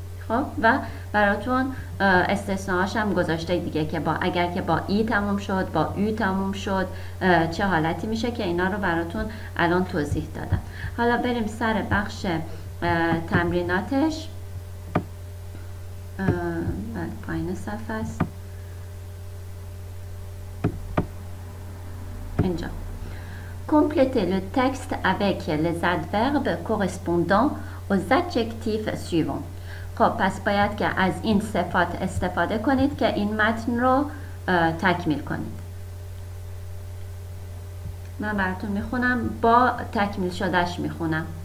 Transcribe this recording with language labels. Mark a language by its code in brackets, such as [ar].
[fa] خب، و براتون استثناءاش هم گذاشته دیگه که با اگر که با ای تموم شد، با او تموم شد چه حالتی میشه، که اینا رو براتون الان توضیح دادم. حالا بریم سر بخش تمریناتش. بعد پایین صفحه است اینجا. [fr] Complétez le texte avec les adverbes correspondant aux adjectifs suivants. [fa] خب، پس باید که از این صفات استفاده کنید که این متن رو تکمیل کنید. من براتون میخونم، با تکمیل شدهش میخونم.